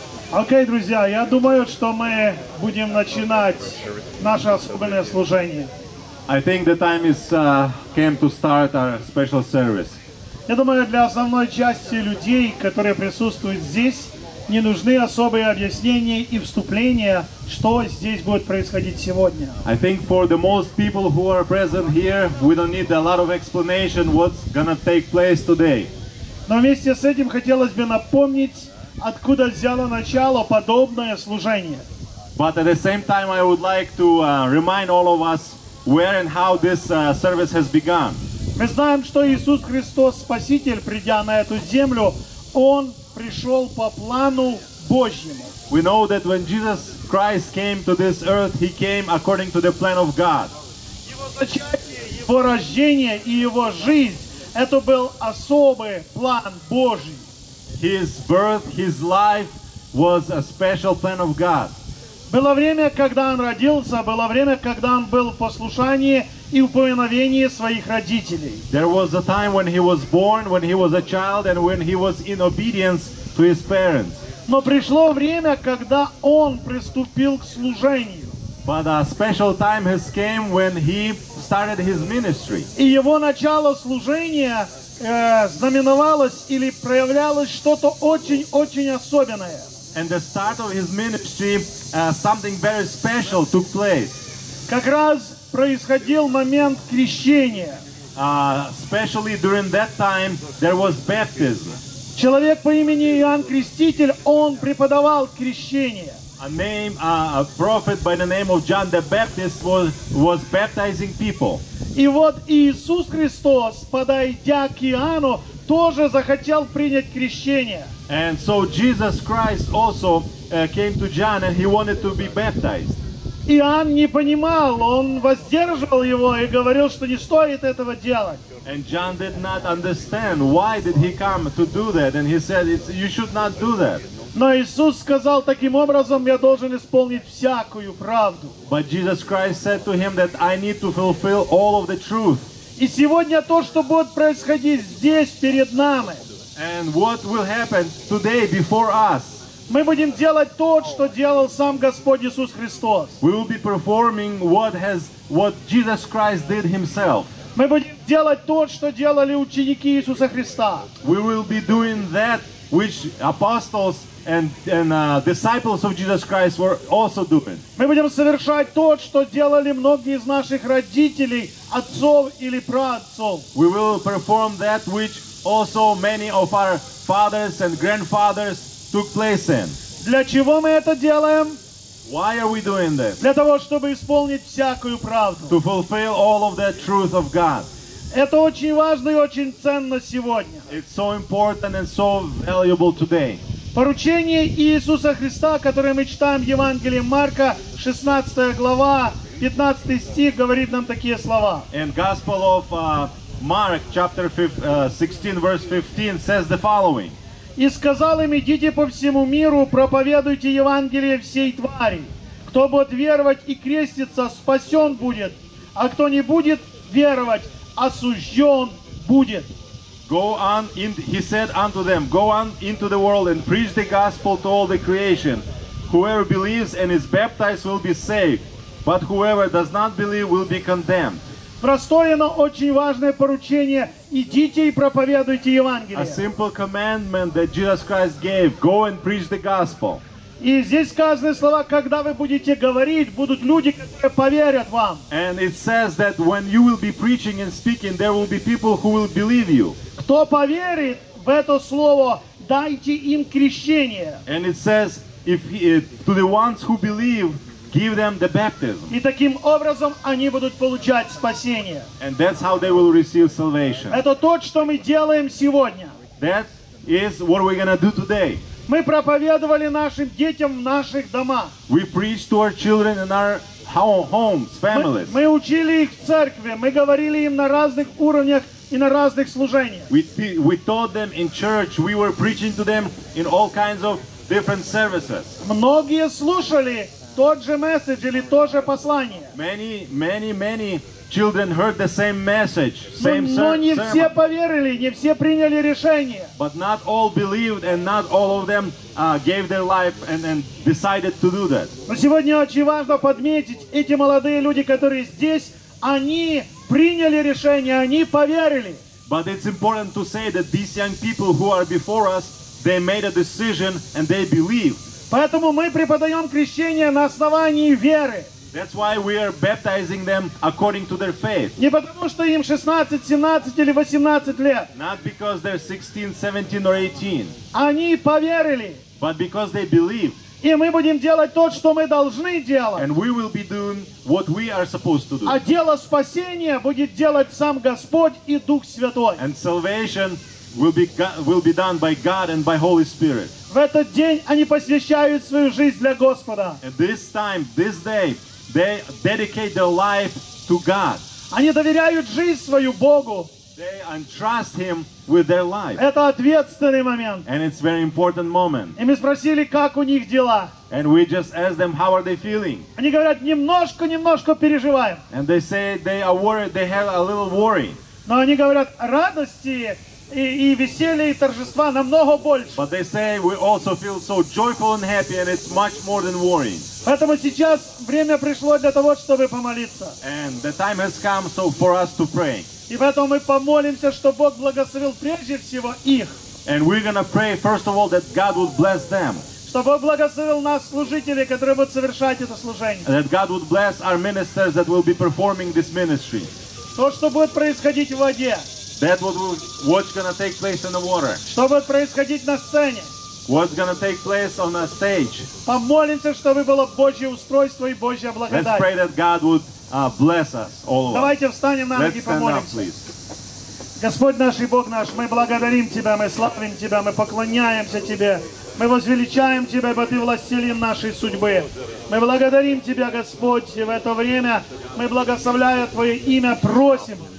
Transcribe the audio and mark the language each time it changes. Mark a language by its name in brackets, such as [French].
[Russian] Окей, друзья, я думаю, что мы будем начинать наше особенное служение. [English] I think the time is came to start our special service. [Russian] Я думаю, для основной части людей, которые присутствуют здесь, не нужны особые объяснения и вступления, что здесь будет происходить сегодня. [English] I think for the most people who are present here, we don't need a lot of explanation what's gonna take place today. [Russian] Но вместе с этим хотелось бы напомнить, откуда взяло начало подобное служение. [English] But at the same time, I would like to remind all of us where and how this service has begun. [Russian] Мы знаем, что Иисус Христос, Спаситель, придя на эту землю, Он пришел по плану Божьему. [English] We know that when Jesus Christ came to this earth, He came according to the plan of God. [Russian] Его зачатие, Его рождение и Его жизнь – это был особый план Божий. [English] His birth, His life was a special plan of God. [Russian] Было время, когда Он родился, было время, когда Он был в послушании и в повиновении своих родителей. [English] There was a time when He was born, when He was a child, and when He was in obedience to His parents. [Russian] Но пришло время, когда Он приступил к служению. [English] But a special time has came when He started His ministry. [Russian] И Его начало служения знаменовалось или проявлялось что-то очень-очень особенное. [English] And the start of his ministry, something very special took place. [Russian] Как раз происходил момент крещения. [English] Especially during that time, there was baptism. [Russian] Человек по имени Иоанн Креститель, он преподавал крещение. [English] A prophet by the name of John the Baptist was baptizing people. [Russian] И вот Иисус Христос, подойдя к Иоанну, тоже захотел принять крещение. [English] And so Jesus Christ also came to John and he wanted to be baptized. [Russian] Иоанн не понимал, он воздерживал его и говорил, что не стоит этого делать. [English] And John did not understand why did he come to do that, and he said, you should not do that. [Russian] Но Иисус сказал, таким образом я должен исполнить всякую правду. [English] But Jesus Christ said to him that I need to fulfill all of the truth. [Russian] И сегодня то, что будет происходить здесь перед нами. [English] And what will happen today before us. [Russian] Мы будем делать то, что делал сам Господь Иисус Христос. [English] We will be performing what Jesus Christ did himself. [Russian] Мы будем делать то, что делали ученики Иисуса Христа. [English] We will be doing that which apostles and disciples of Jesus Christ were also doing. [Russian] Мы будем совершать то, что делали многие из наших родителей, отцов или праотцов. [English] We will perform that which also many of our fathers and grandfathers took place in. [Russian] Для чего мы это делаем? [English] Why are we doing this? [Russian] Для того, чтобы исполнить всякую правду. [English] To fulfill all of the truth of God. [Russian] Это очень важно и очень ценно сегодня. [English] It's so important and so valuable today. [Russian] Поручение Иисуса Христа, которое мы читаем в Евангелии Марка, 16 глава, 15 стих, говорит нам такие слова. [English] In Gospel of Mark, chapter 16, verse 15, says the following. [Russian] «И сказал им, идите по всему миру, проповедуйте Евангелие всей твари. Кто будет веровать и креститься, спасен будет, а кто не будет веровать, осужден будет». [English] Go on, in, he said unto them, go on into the world and preach the gospel to all the creation. Whoever believes and is baptized will be saved, but whoever does not believe will be condemned. [Russian] Простое, но очень важное поручение. Идите и проповедуйте Евангелие. [English] A simple commandment that Jesus Christ gave. Go and preach the gospel. [Russian] И здесь сказаны слова, когда вы будете говорить, будут люди, которые поверят вам. [English] And it says that when you will be preaching and speaking, there will be people who will believe you. [Russian] Кто поверит в это слово, дайте им крещение. [English] And it says, to the ones who believe, give them the baptism. [Russian] И таким образом они будут получать спасение. [English] And that's how they will receive salvation. [Russian] Это то, что мы делаем сегодня. [English] That is what we're gonna do today. [Russian] Мы проповедовали нашим детям в наших домах. [English] We preach to our children in our homes, families. [Russian] Мы учили их в церкви, мы говорили им на разных уровнях и на разных служениях. [English] We taught them in church, we were preaching to them in all kinds of different services. [Russian] Многие слушали тот же месседж или то же послание. [English] Many children heard the same message, same sermon. [Russian] Но не все поверили, не все приняли решение. [English] But not all believed and not all of them gave their life and decided to do that. [Russian] Но сегодня очень важно подметить, эти молодые люди, которые здесь, они приняли решение, они поверили. [English] But it's important to say that these young people who are before us, they made a decision and they believed. [Russian] Поэтому мы преподаем крещение на основании веры. [English] That's why we are baptizing them according to their faith. [Russian] Не потому, что им 16, 17 или 18 лет. [English] Not because they're 16, 17 or 18. [Russian] Они поверили. [English] But because they believed. [Russian] И мы будем делать то, что мы должны делать. [English] And we will be doing what we are supposed to do. [Russian] А дело спасения будет делать сам Господь и Дух Святой. [English] And salvation will be done by God and by Holy Spirit. [Russian] В этот день они посвящают свою жизнь для Господа. [English] At this time, this day, they dedicate their life to God. [Russian] Они доверяют жизнь свою Богу. [English] They entrust Him with their life. [Russian] Это ответственный момент. [English] And it's a very important moment. [Russian] И мы спросили, как у них дела. [English] And we just asked them, how are they feeling? [Russian] Они говорят, немножко переживаем. [English] And they say they are worried, they have a little worry. [Russian] Но они говорят, радости и веселье, и торжества намного больше. [English] But they say we also feel so joyful and happy, and it's much more than worrying. [Russian] Поэтому сейчас время пришло для того, чтобы помолиться. [English] And the time has come so for us to pray. [Russian] И поэтому мы помолимся, чтобы Бог благословил прежде всего их. [English] And we're gonna pray first of all that God would bless them. [Russian] Чтобы Бог благословил нас, служителей, которые будут совершать это служение. [English] That God would bless our ministers that will be performing this ministry. [Russian] То, что будет происходить в воде. [English] That what's gonna take place in the water. [Russian] Что будет происходить на сцене? [English] What's gonna take place on the stage? [Russian] Помолимся, чтобы было Божье устройство и Божья благодать. [English] Let's pray that God would bless us all. [Russian] Давайте встанем на ноги и помолимся. Господь наш и Бог наш, мы благодарим Тебя, мы славим Тебя, мы поклоняемся Тебе. Мы возвеличаем Тебя, ибо Ты властелин нашей судьбы. Мы благодарим Тебя, Господь, и в это время мы, благословляя Твое имя, просим.